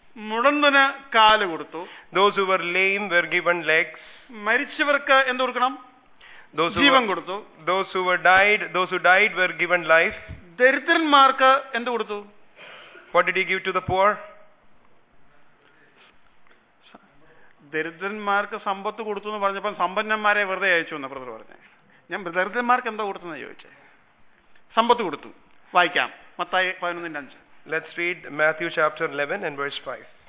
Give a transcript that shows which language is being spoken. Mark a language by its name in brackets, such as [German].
[Malayalam] മുടന്തന് കാല് കൊടുത്തു, [English] those who were lame were given legs, [Malayalam] മരിച്ചവർക്ക് എന്ത് കൊടുക്കണം? ജീവൻ കൊടുത്തു, [English] those who died were given life, [Malayalam] ദരിദ്രന്മാർക്ക് എന്ത് കൊടുത്തു? [English] What did he give to the poor? [Malayalam] ദരിദ്രന്മാർക്ക് സമ്പത്ത് കൊടുത്തു എന്ന് പറഞ്ഞപ്പോൾ സമ്പന്നന്മാരെ വെറുതെ അയച്ചു എന്ന് ബ്രദർ പറഞ്ഞു. ഞാൻ ദരിദ്രന്മാർക്ക് എന്തോ കൊടുത്തു എന്ന് ചോദിച്ചേ, സമ്പത്ത് കൊടുത്തു. വായിക്കാം Mathai 11:5. [English] Let's read Matthew chapter 11 and verse 5.